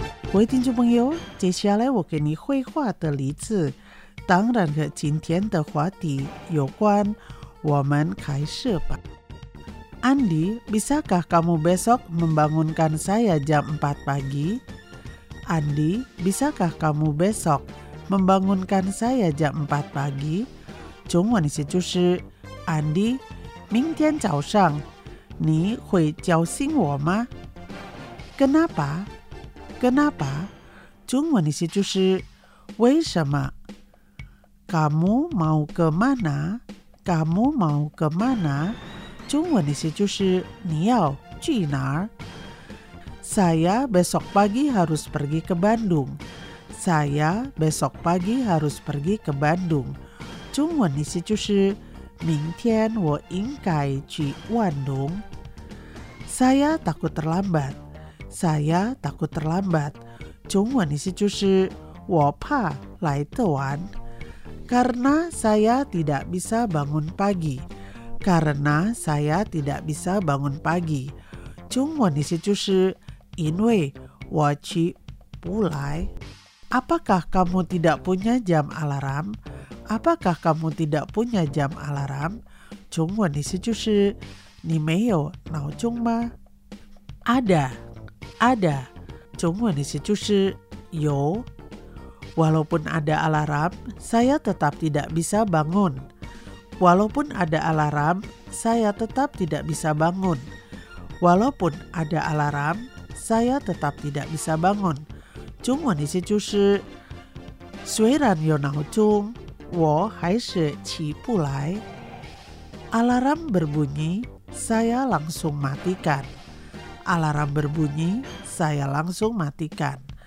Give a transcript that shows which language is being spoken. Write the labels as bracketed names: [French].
[Chinese] 各位听众朋友，接下来我给你绘画的例子，当然和今天的话题有关。我们开始吧。 [Indonesian] Andy, bisakah kamu besok membangunkan saya jam 4 pagi? Andy, bisakah kamu besok membangunkan saya jam 4 pagi? [Chinese] 中文的意思就是 ，Andy， 明天早上你会叫醒我吗 ？ [Indonesian] Kenapa？ Kenapa? [Chinese] 中文的意思就是为什么 [Indonesian] Kamu mau ke mana? Kamu mau ke mana? [Chinese] 中文的意思就是你要去哪儿 [Indonesian] Saya besok pagi harus pergi ke Bandung Saya besok pagi harus pergi ke Bandung [Chinese] 中文的意思就是明天我应该去万隆 [Indonesian] Saya takut terlambatSaya takut terlambat. [Chinese] 中文的意思就是我怕来得晚。 [Indonesian] Karena saya tidak bisa bangun pagi. Karena saya tidak bisa bangun pagi. [Chinese] 中文的意思就是因为我起不来。 [Indonesian] Apakah kamu tidak punya jam alarm? Apakah kamu tidak punya jam alarm? [Chinese] 中文的意思就是你没有闹钟吗？ [Indonesian] Ada. Ada, [Chinese] 中文的意思就是有。 [Indonesian] Walaupun ada alarm, saya tetap tidak bisa bangun. Walaupun ada alarm, saya tetap tidak bisa bangun. Walaupun ada alarm, saya tetap tidak bisa bangun. [Chinese] 中文的意思就是虽然有闹钟，我还是起不来。 [Indonesian] Alarm berbunyi, saya langsung matikan. Alarm berbunyi, saya langsung matikan.